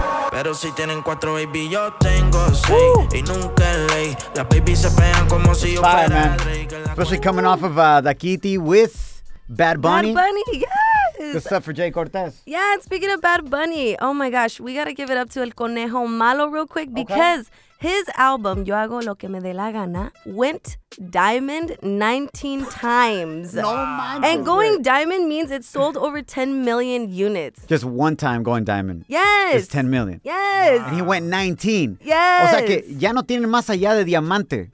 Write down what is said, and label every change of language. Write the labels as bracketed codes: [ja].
[es] Pero si tienen cuatro baby, yo tengo seis. Y nunca ley. Las baby se pegan como si yo fuera rey. [en] Especially coming off of Dakiti with Bad Bunny. Bad Bunny, yes. Good stuff for Jay Cortez. Yeah, and speaking of Bad Bunny, oh my gosh, we got to give it up to El Conejo Malo real quick because his album, Yo Hago Lo Que Me De La Gana, went diamond 19 times. No mind. And going diamond means it sold over 10 million units. Just one time going diamond. Yes. It's 10 million. Yes. Wow. And he went 19. Yes. [es] O sea que ya no tienen más allá de diamante.